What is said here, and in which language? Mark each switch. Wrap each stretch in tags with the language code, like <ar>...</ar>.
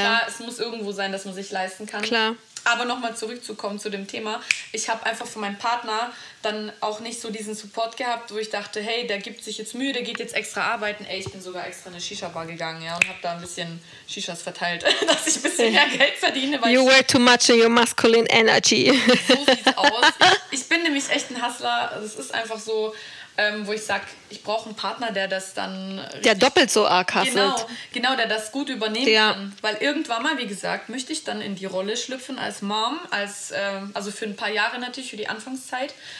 <de>Klar, es muss irgendwo sein, dass man sich leisten kann. Klar. Aber nochmal zurückzukommen zu dem Thema. Ich habe einfach von meinem Partner dann auch nicht so diesen Support gehabt, wo ich dachte, hey, der gibt sich jetzt Mühe, der geht jetzt extra arbeiten. Ey, ich bin sogar extra in eine Shisha-Bar gegangen, ja, und habe da ein bisschen Shishas verteilt, dass ich ein bisschen mehr Geld verdiene. Weil</de> <en>you wear too much of your masculine energy.</en> <de>So sieht's aus. Ich bin nämlich echt ein Hustler. Das ist einfach so... wo ich sage, ich brauche einen Partner, der das dann... Der doppelt so arg hasselt. Genau, der das gut übernehmen kann. Weil irgendwann mal, wie gesagt, möchte ich dann in die Rolle schlüpfen als Mom, als also für ein paar Jahre natürlich, für die Anfangszeit.</de>